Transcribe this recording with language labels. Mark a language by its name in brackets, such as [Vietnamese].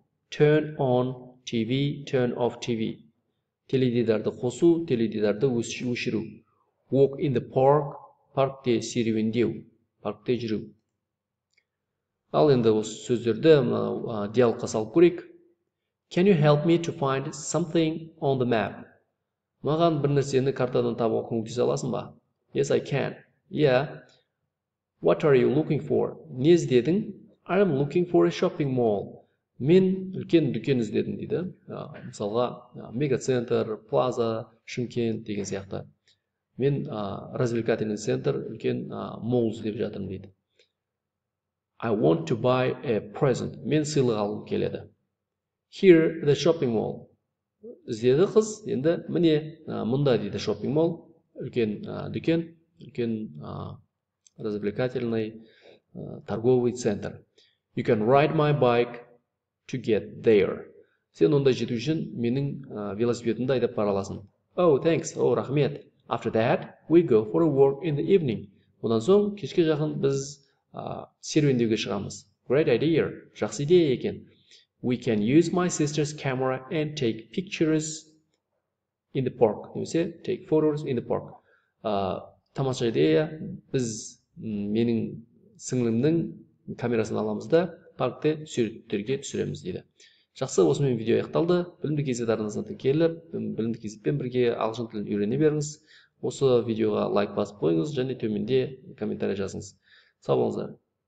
[English] Turn on TV, turn off TV. [Kazakh] Теледидарды қосу, теледидарды өшіру. [English] Walk in the park. [Kazakh] Паркте серуендеу. Паркте жүру. Ал енді осы сөздерді диалогқа салып көрейік. [English] Can you help me to find something on the map? [Kazakh] Маған бір нәрсені картадан табуға көмектесе аласың ба? [English] Yes, I can. Yeah. What are you looking for? [Kazakh] Не іздедің? [English] I'm looking for a shopping mall. [Kazakh] Мен үлкен дүкен іздедім дейді. Мысалға, мегацентр, плаза, Шымкент деген сияқты. Мен [Russian] развлекательный центр, [Kazakh] үлкен мол іздеп жатырмын дейді. [English] I want to buy a present. [Kazakh] Мен сыйлық алғым келеді. [English] Here the shopping mall. [Kazakh] Іздеді қыз, енді міне мұнда дейді [English] shopping mall. [Kazakh] Үлкен дүкен, үлкен [Russian] развлекательный торговый центр. [English] You can ride my bike to get there. [Kazakh] Сен онда жету үшін менің велосипедімді айдап бара аласың. [English] Oh, thanks. Oh, [Kazakh] рахмет. [English] After that, we go for a walk in the evening. [Kazakh] Одан соң кешке жақын біз серуендеуге шығамыз. [English] Great idea. [Kazakh] Жақсы идея екен. [English] We can use my sister's camera and take pictures in the park. [Kazakh] Немесе, [English] take photos in the park. [Kazakh] Тамаша идея, біз менің сіңілімнің камерасын аламыз да, паркте суреттерге түсіреміз дейді. Жақсы, осымен видео аяқталды. Білімді кезет арнасына тіркеліп, білімді кезетпен бірге ағылшын тілін үйрене беріңіз. Осы видеоға лайк басып қойыңыз және төменде комментарий жазыңыз. Сау болыңыздар.